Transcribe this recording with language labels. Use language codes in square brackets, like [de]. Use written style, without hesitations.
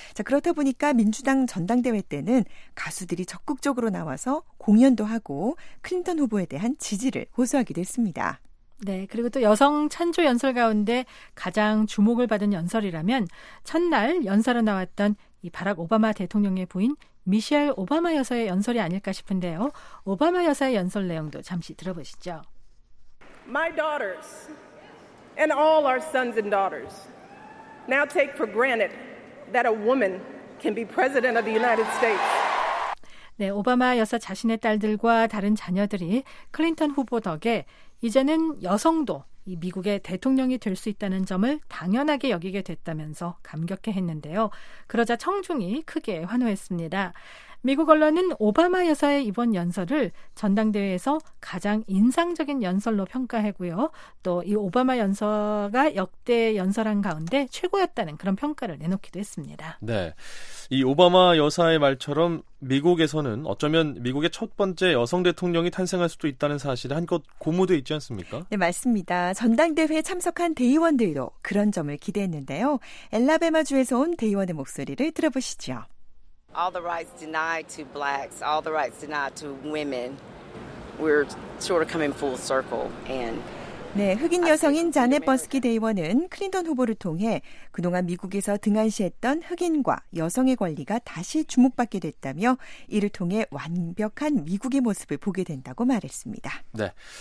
[ko] 자, 그렇다 보니까 민주당 전당대회 때는 가수들이 적극적으로 나와서 공연도 하고 클린턴 후보에 대한 지지를 호소하기도 했습니다. 네, 그리고 또 여성 찬조 연설 가운데 가장 주목을 받은 연설이라면 첫날 연설로 나왔던 이 바락 오바마 대통령의 부인 미셸 오바마 여사의 연설이 아닐까 싶은데요. 오바마 여사의 연설 내용도 잠시 들어보시죠. [en] My daughters and all our sons and daughters now take for granted that a woman can be president of the United States. [ko] 네, 오바마 여사 자신의 딸들과 다른 자녀들이 클린턴 후보 덕에 이제는 여성도 이 미국의 대통령이 될 수 있다는 점을 당연하게 여기게 됐다면서 감격해 했는데요. 그러자 청중이 크게 환호했습니다. 미국 언론은 오바마 여사의 이번 연설을 전당대회에서 가장 인상적인 연설로 평가했고요. 또 이 오바마 연설가 역대 연설한 가운데 최고였다는 그런 평가를 내놓기도 했습니다. 네. 이 오바마 여사의 말처럼 미국에서는 어쩌면 미국의 첫 번째 여성 대통령이 탄생할 수도 있다는 사실에 한껏 고무되어 있지 않습니까? 네, 맞습니다. 전당대회에 참석한 대의원들도 그런 점을 기대했는데요. 엘라베마주에서 온 대의원의 목소리를 들어보시죠. [en] All the rights denied to blacks, all the rights denied to women. We're sort of coming full circle and [ko] 네, 흑인 여성인 자넷 버스키 대의원은 클린턴 후보를 통해 그동안 미국에서 등한시했던 흑인과 여성의 권리가 다시 주목받게 됐다며 이를 통해 완벽한 미국의 모습을 보게 된다고 말했습니다. 네.